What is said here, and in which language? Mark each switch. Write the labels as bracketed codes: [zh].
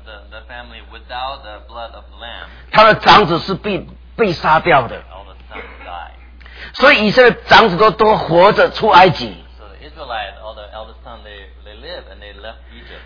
[en] the family without the blood of the lamb, [zh] 他的长子是 被杀掉的 [en] all the sons die. [zh] 所以以色列长子 都活着出埃及 [en] so the Israelite, all the eldest son, they live and they left Egypt.